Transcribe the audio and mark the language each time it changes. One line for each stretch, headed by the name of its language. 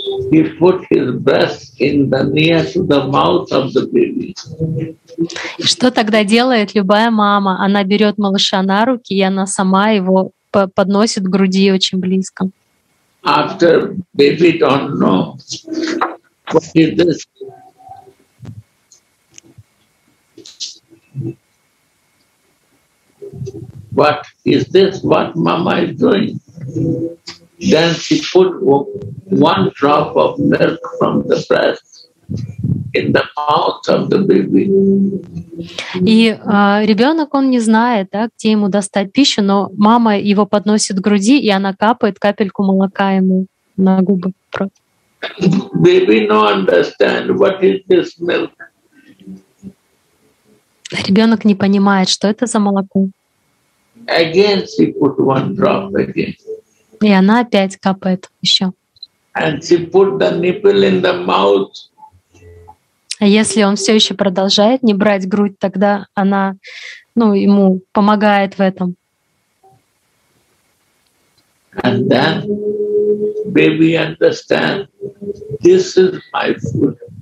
English: he put his breath in the near to the mouth of the baby.
Russian: Что тогда делает любая мама? Она берет малыша на руки, и она сама его подносит к груди очень близко.
English: After baby don't know what is this. What is this? What mama is doing? Then she put one drop of milk from the breast in the mouth of the baby.
Russian: И ребенок он не знает, да, где ему достать пищу, но мама его подносит к груди и она капает капельку молока ему на губы.
English: Baby no understand what is this milk.
Russian: Ребенок не понимает, что это за молоко.
English: Again she put one drop again.
Russian: И она опять капает еще.
English: And she put the nipple in the mouth.
Russian: А если он все еще продолжает не брать грудь, тогда она, ну, ему помогает в этом.
English: And then baby understands this is my food.